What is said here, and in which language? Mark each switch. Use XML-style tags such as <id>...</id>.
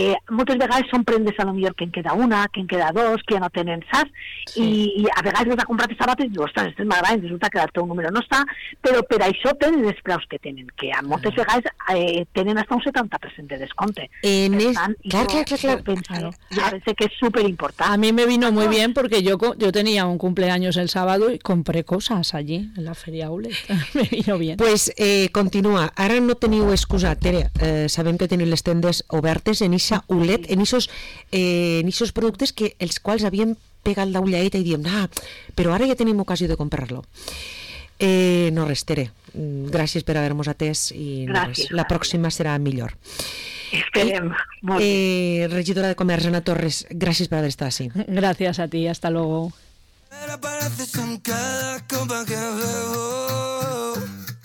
<ca>Moltes vegades són prendes a lo millor que en queda una, que en queda dos, que ja no tenen, saps? Sí. I a vegades els ha comprat els sabates i diuen, ostres, estes m'agraden, resulta que el teu número no està, però per això tenen els preus que tenen, que a moltes vegades tenen hasta un 70% de descompte. Clar. Jo penso que és superimportant.</ca> <es>A mi me vino muy bien porque yo tenía un cumpleaños el sábado y compré cosas allí, en la Feria Aulet. Me vino bien.</es> <ca>Pues continua. Ara no teniu excusa, Tere. Sabem que teniu les tendes obertes en Issa Ulet, en</ca> <es>esos</es> <ca>productes que els quals havien pegat la ullaeta i diem, ah, però ara ja tenim ocasió de comprar-lo. No res, Tere. Gràcies per haver-nos atès i gràcies, la pròxima serà millor. Esperem. Molt bé. Regidora de Comerç, Ana Torres, gràcies per haver estat així.</ca> <es>Gràcies a ti, hasta luego. Pero apareces en cada copa que bebo.</es>